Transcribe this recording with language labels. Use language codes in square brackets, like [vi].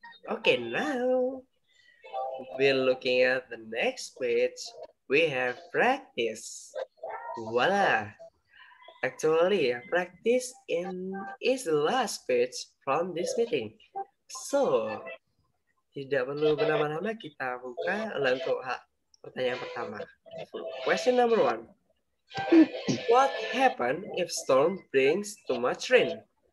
[en] Okay, now we're looking at the next page. We have practice. Voila. Actually, practice is the last page from this meeting. [id] So, tidak perlu berlama-lama, kita buka untuk pertanyaan pertama. [en] Question number one. What happens if storm brings too much rain?